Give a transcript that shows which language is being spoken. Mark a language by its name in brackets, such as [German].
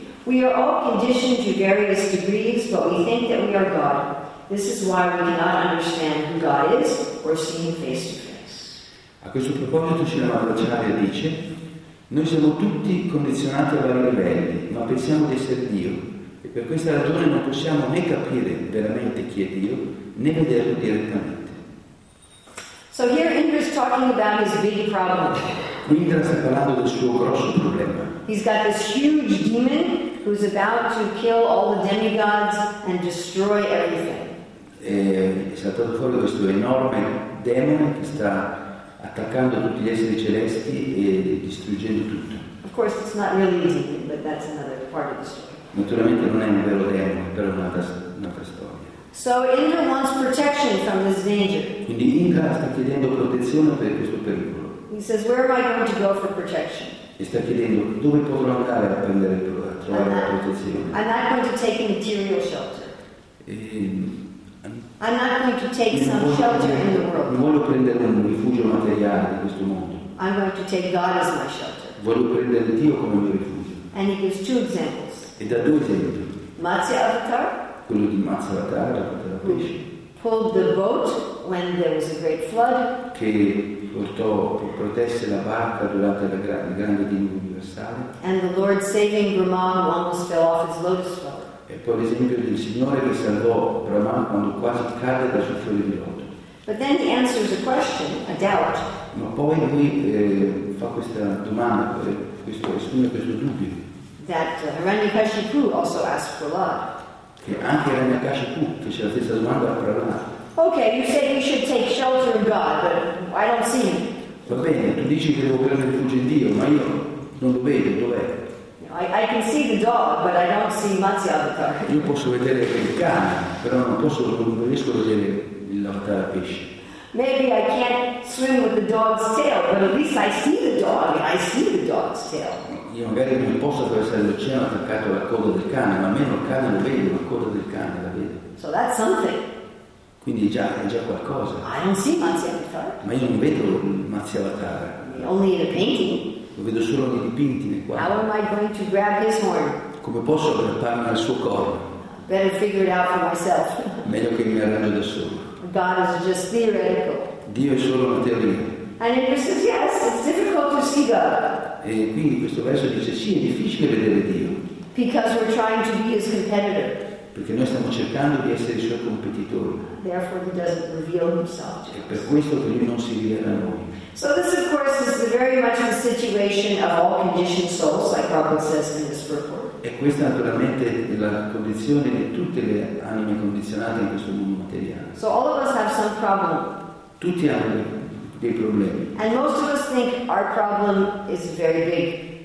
[English] We are all conditioned to various degrees, but we think that we are God. This is why we cannot understand who God is or see him face to face. [Italian] A questo proposito Srila Madhvacharya dice: noi siamo tutti condizionati a vari livelli, ma pensiamo di essere Dio, e per questa ragione non possiamo né capire veramente chi è Dio, né vederlo direttamente. [English] So here Indra is talking about his big problem. [Italian] Indra sta parlando del suo grosso problema. [English] He's got this huge demon who's about to kill all the demigods and destroy everything. [Italian] È saltato fuori questo enorme demone che sta attaccando tutti gli esseri celesti e distruggendo tutto. [English] Of course it's not really easy, but that's another part of the story. [Italian] Naturalmente non è un vero demone, però è un'altra storia. [English] So Indra wants protection from this danger. [Italian] Quindi Indra sta chiedendo protezione per questo pericolo. [English] He says, where am I going to go for protection? [Italian] e sta chiedendo dove potrò andare a prendere a trovare la protezione. [English] I'm not going to take a material shelter. I'm not going to take some shelter in the world. [Italian] Non voglio prendere un rifugio materiale in questo mondo. [English] I'm going to take God as my shelter. [Italian] Voglio prendere Dio come mio rifugio. [English] And he gives two examples. [Italian] E da due esempi. [English] Matsyavatar. [Italian] Quello di Matsyavatar, la parte della pesce. [English] Pulled the boat when there was a great flood. [Italian] Che portò, protesse la barca durante la grande diluvio universale. [English] And the Lord saving Brahma almost fell off his lotus flower. [Italian] E poi l'esempio del Signore che salvò Brahma quando quasi cade dal suo fiore di loto. [English] But then he answers a question, a doubt. [Italian] Ma poi lui fa questa domanda, questo esprime questo dubbio. [English] That Hiranyakashipu also asked for love. [Italian] Che anche Hiranyakashipu fece la stessa domanda a Brahma. [English] Okay, you say we should take shelter in God, but I don't see him. [Italian] Va bene, tu dici che devo prendere rifugio in Dio, ma io non lo vedo, dov'è? [English] I can see the dog, but I don't see Matsyavatar. [Italian] Io posso vedere il cane, però non riesco a vedere l'avatar pesce. [English] Maybe I can't swim with the dog's tail, but at least I see the dog, and I see the dog's tail. [Italian] Io magari non posso attraversare l'oceano attaccato alla coda del cane, ma almeno il cane lo vedo, la coda del cane la vedo. [English] So that's something. [Italian] Quindi è già qualcosa. [English] I don't see Matsyavatar. [Italian] Ma io non vedo Matsyavatar. [English] Only in a painting. [Italian] Lo vedo solo nei dipinti, nei quadri. [English] How am I going to grab his horn? [Italian] Come posso aggrapparmi al suo corpo? [English] Better figure it out for myself. [Italian] Meglio che mi arrangio da solo. [English] God is just theoretical. [Italian] Dio è solo una teoria. [English] And it says yes, it's difficult to see God. [Italian] E quindi questo verso dice sì, è difficile vedere Dio. [English] Because we're trying to be his competitor. [Italian] Perché noi stiamo cercando di essere i suoi competitori. [English] Therefore he doesn't reveal himself. [Italian] E per questo che lui non si rivela a noi. [English] So this of course is very much the situation of all conditioned souls, like Prabhupada says in this report. [Italian] E questa naturalmente è la condizione di tutte le anime condizionate in questo mondo materiale. [English] So all of us have some problem. [Italian] Tutti hanno dei problemi. [English] And most of us think our problem is very big.